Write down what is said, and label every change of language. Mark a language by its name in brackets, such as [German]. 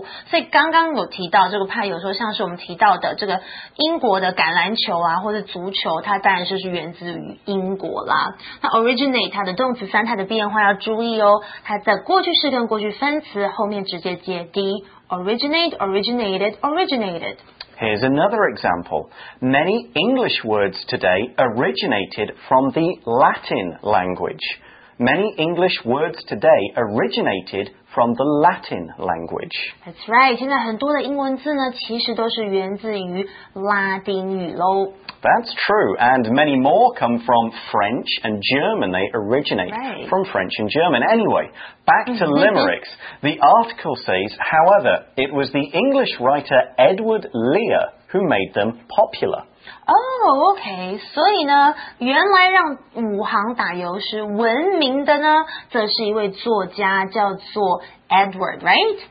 [Chinese] 所以刚刚有提到这个派有时候像是我们提到的这个英国的橄榄球啊或是足球它当然就是源自于英国啦那 originate 它的动词三态的变化要注意哦它的过去式跟过去分词后面直接接 D, originate, originated, originated. [English] Here's another example. Many English words today originated from the Latin language. Many English words today originated from the Latin language. That's right. [Chinese] 现在很多的英文字呢其实都是源自于拉丁语咯。 [English] That's true, and many more come from French and German. They originate from French and German. Anyway, back to limericks. The article says, however, it was the English writer Edward Lear who made them popular. [Chinese] Oh, okay, 所以呢原来让武行打油诗闻名的呢则是一位作家叫做 Edward, right?、